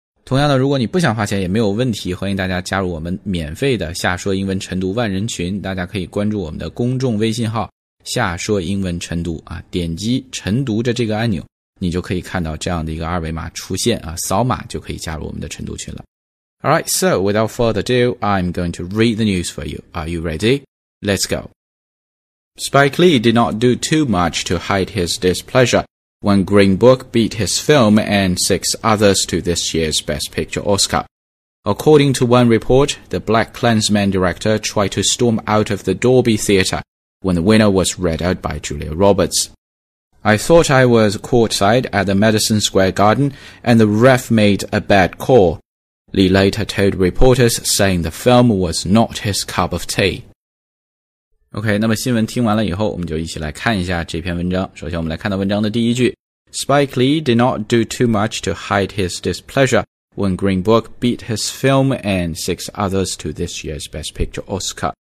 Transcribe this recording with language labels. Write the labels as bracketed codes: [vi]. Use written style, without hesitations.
[zh] 同样呢，如果你不想花钱也没有问题，欢迎大家加入我们免费的夏说英文晨读万人群，大家可以关注我们的公众微信号夏说英文晨读啊，点击晨读着这个按钮，你就可以看到这样的一个二维码出现啊，扫码就可以加入我们的晨读群了。 [en] Alright, so without further ado, I'm going to read the news for you. Are you ready? Let's go. Spike Lee did not do too much to hide his displeasure when Green Book beat his film and six others to this year's Best Picture Oscar. According to one report, the Black Klansman director tried to storm out of the Dolby Theater. When the winner was read out by Julia Roberts. I thought I was courtside at the Madison Square Garden and the ref made a bad call, Lee later told reporters, saying the film was not his cup of tea. [zh] OK, 那么新闻听完了以后，我们就一起来看一下这篇文章。首先我们来看到文章的第一句。 [en] Spike Lee did not do too much to hide his displeasure when Green Book beat his film and six others to this year's Best Picture Oscar.